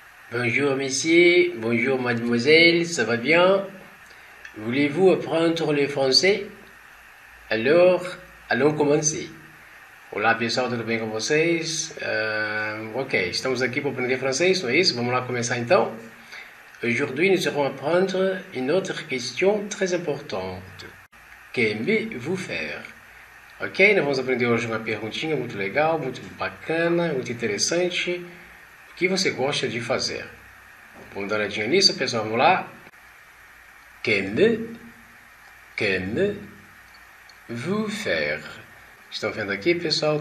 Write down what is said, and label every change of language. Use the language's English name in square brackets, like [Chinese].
[French] Bonjour monsieur, bonjour mademoiselle, ça va bien? Voulez-vous apprendre le français? Alors, allons commencer. [Portuguese] Olá pessoal, tudo bem com vocês? Ok, estamos aqui para aprender francês, não é isso? Vamos lá começar então. [French] Aujourd'hui, nous allons apprendre une autre question très importante. Qu'aimez-vous faire? [Portuguese] Ok, nós vamos aprender hoje uma perguntinha muito legal, muito bacana, muito interessante. O que você gosta de fazer? Vamos dar uma olhadinha nisso, pessoal. Vamos lá. [French] Qu'aimez-vous faire? [Portuguese] Estão vendo aqui, pessoal?